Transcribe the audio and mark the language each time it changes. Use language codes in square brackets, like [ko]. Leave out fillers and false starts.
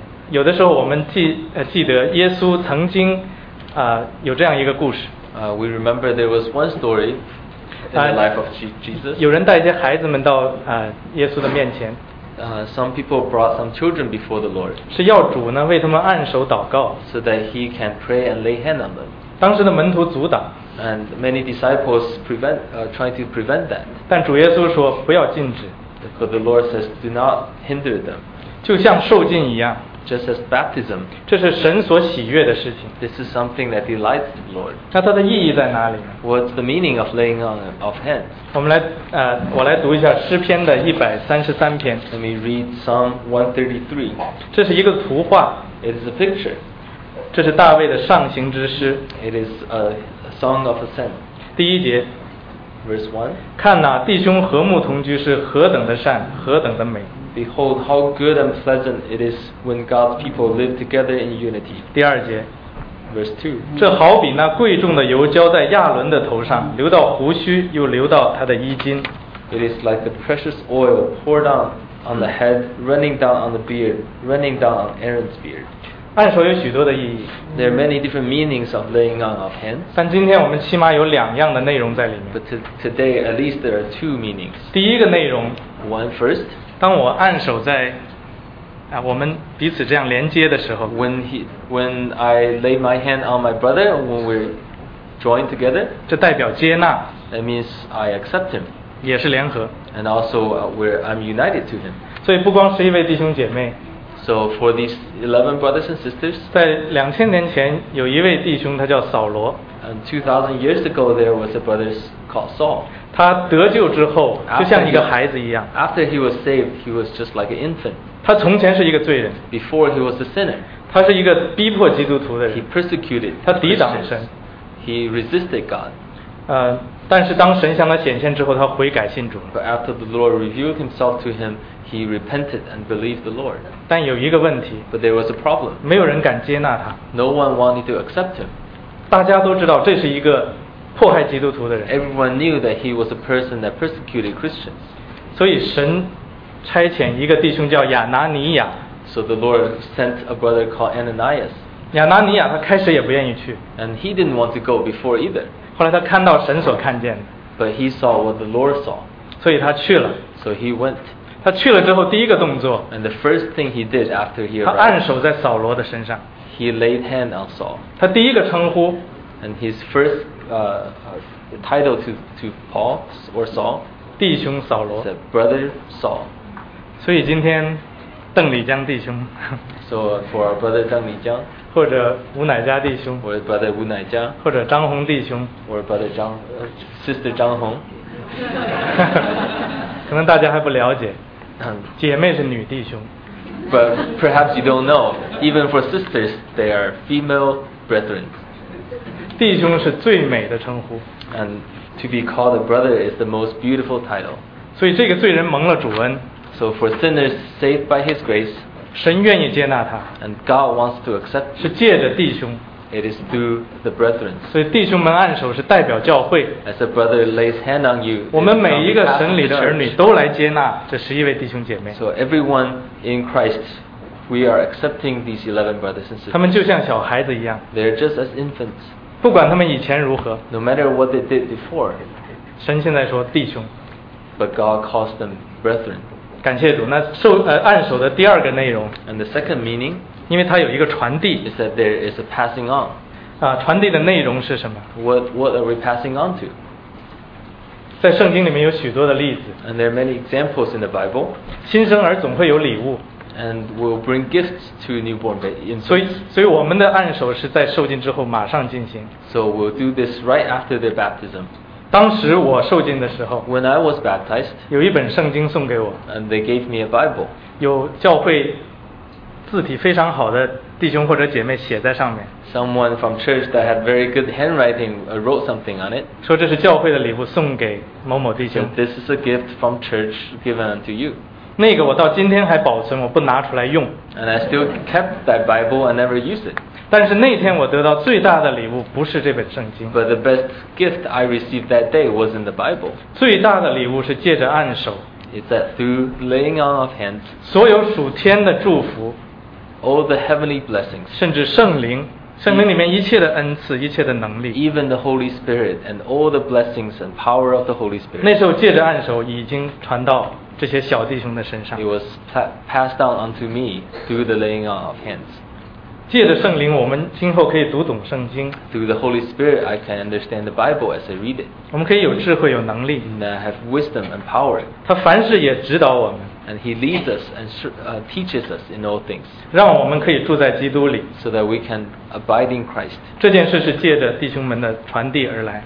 [zh] 有的时候我们记得耶稣曾经有这样一个故事。 [en] We remember there was one story in the life of Jesus. [zh] 有人带一些孩子们到耶稣的面前。 [en] Some people brought some children before the Lord. [zh] 是要主呢为他们按手祷告 [en] so that he can pray and lay hand on them. [zh] 当时的门徒阻挡 [en] and many disciples tried to prevent that. [zh] 但主耶稣说不要禁止 [en] but the Lord says do not hinder them. [zh] 就像受浸一样 [en] just as baptism. [zh] 这是神所喜悦的事情 [en] this is something that delights the Lord. [zh] 那它的意义在哪里 [en] What's the meaning of laying on of hands? [zh] 我们来我来读一下诗篇的133篇 [en] Let me read Psalm 133 [zh] 这是一个图画 [en] It is a picture [zh] 这是大卫的上行之诗 [en] It is a song of ascent [zh] 第一节 [en] Verse 1 [zh] 看哪弟兄和睦同居是何等的善何等的美 [en] Behold how good and pleasant it is when God's people live together in unity [zh] 第二节 [en] Verse 2. [zh] 这好比那贵重的油浇在亚伦的头上，流到胡须，又流到他的衣襟。 [en] It is like the precious oil poured down on the head, running down on the beard, running down on Aaron's beard. [zh] 按手有许多的意义。 [en] There are many different meanings of laying on of hands. [zh] 但今天我们起码有两样的内容在里面。 [en] But today, at least there are two meanings. [zh] 第一个内容。 [en] One first. [zh] 当我按手在我们彼此这样连接的时候 [en] when I lay my hand on my brother when we're joined together [zh] 这代表接纳 [en] that means I accept him [zh] 也是联合 [en] and also I'm united to him [zh] 所以不光是一位弟兄姐妹 [en] so for these 11 brothers and sisters [zh] 在2000年前有一位弟兄他叫扫罗 [en] and 2000 years ago there was a brother called Saul [zh] 他得救之后就像一个孩子一样 [en] after he was saved he was just like an infant [zh] 他从前是一个罪人 [en] Before he was a sinner [zh] 他是一个逼迫基督徒的人 [en] He persecuted [zh] 他抵挡神 [en] He resisted God [zh] 但是当神向他显现之后他悔改信主 [en] But after the Lord revealed himself to him He repented and believed the Lord [zh] 但有一个问题 [en] But there was a problem [zh] 没有人敢接纳他 [en] No one wanted to accept him [zh] 大家都知道这是一个迫害基督徒的人 [en] Everyone knew that he was a person that persecuted Christians [zh] 所以神差遣一个弟兄叫亚拿尼亚 [en] So the Lord sent a brother called Ananias [zh] 亚拿尼亚他开始也不愿意去 [en] And he didn't want to go before either [zh] 后来他看到神所看见的 [en] But he saw what the Lord saw [zh] 所以他去了 [en] So he went [zh] 他去了之后第一个动作 [en] And the first thing he did after he arrived [zh] 他按手在扫罗的身上 [en] He laid hand on Saul [zh] 他第一个称呼 [en] And his first title to Paul or Saul [zh] 弟兄扫罗 [en] said, Brother Saul [zh] 所以今天邓李江弟兄 [en] So for our brother 邓李江 [zh] 或者吴乃佳弟兄 [en] Or brother 吴乃佳 [zh] 或者张红弟兄 [en] Or brother 张 Sister 张红 [zh] 可能大家还不了解姐妹是女弟兄 [en] But perhaps you don't know Even for sisters They are female brethren [zh] 弟兄是最美的称呼 [en] And to be called a brother Is the most beautiful title [zh] 所以这个罪人蒙了主恩 [en] So for sinners saved by His grace, [zh] 神愿意接纳他。 [en] And God wants to accept. [zh] 是借着弟兄。 [en] It is through the brethren. [zh] 所以弟兄们按手是代表教会。 [en] As a brother lays hand on you. [zh] 我们每一个神里的儿女都来接纳这十一位弟兄姐妹。 [en] So everyone in Christ, we are accepting these 11 brothers and sisters. [zh] 他们就像小孩子一样。 [en] They're just as infants. [zh] 不管他们以前如何。 [en] No matter what they did before. [zh] 神现在说弟兄。 [en] But God calls them brethren. [zh] 感谢主。那受按手的第二个内容。 [en] And the second meaning. [zh] 因为它有一个传递。 [en] Is that there is a passing on. [zh] 啊，传递的内容是什么？ [en] What are we passing on to? [zh] 在圣经里面有许多的例子。 [en] And there are many examples in the Bible. [zh] 新生儿总会有礼物。 [en] And we'll bring gifts to newborn babies. [zh] 所以我们的按手是在受浸之后马上进行。 [en] So we'll do this right after their baptism. [zh] 当时我受浸的时候。 [en] When I was baptized. [zh] 有一本圣经送给我。 [en] And they gave me a Bible. [zh] 有教会。字体非常好的弟兄或者姐妹写在上面。 [en] Someone from church that had very good handwriting wrote something on it. [zh] 说这是教会的礼物送给某某弟兄。 [en] This is a gift from church given to you. [zh] 那个我到今天还保存，我不拿出来用。 [en] And I still kept that Bible and never used it. [zh] 但是那天我得到最大的礼物不是这本圣经。 [en] But the best gift I received that day wasn't the Bible. [zh] 最大的礼物是借着按手。 [en] It's that through laying on of hands. [zh] 所有属天的祝福。 [en] All the heavenly blessings, [zh] 甚至圣灵里面一切的恩赐，一切的能力。 [en] Even the Holy Spirit and all the blessings and power of the Holy Spirit. [zh] 那时候借着按手已经传到这些小弟兄的身上。 [en] It was passed down unto me through the laying on of hands. [zh] 借着圣灵，我们今后可以读懂圣经。 [en] Through the Holy Spirit, I can understand the Bible as I read it. [zh] 我们可以有智慧，有能力。 [en] And I have wisdom and power. [zh] 他凡事也指导我们。 [en] And He leads us and teaches us in all things. [zh] 让我们可以住在基督里。 [en] So that we can abide in Christ. [zh] 这件事是借着弟兄们的传递而来。